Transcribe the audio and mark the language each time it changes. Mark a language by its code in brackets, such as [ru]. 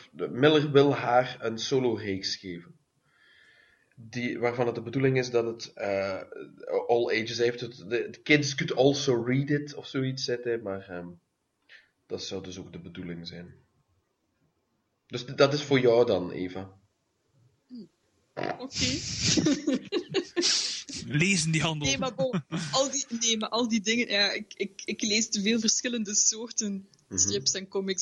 [nl] Miller wil haar een solo-reeks geven. Waarvan het de bedoeling is dat het all ages heeft. [en] The kids could also read it, of zoiets zetten. [nl] Maar dat zou dus ook de bedoeling zijn. Dus dat is voor jou dan, Eva. Oké. [en] Okay. [nl] Lezen die handel. Nee, maar bon, al die dingen... Ja, ik lees te veel verschillende soorten strips en comics.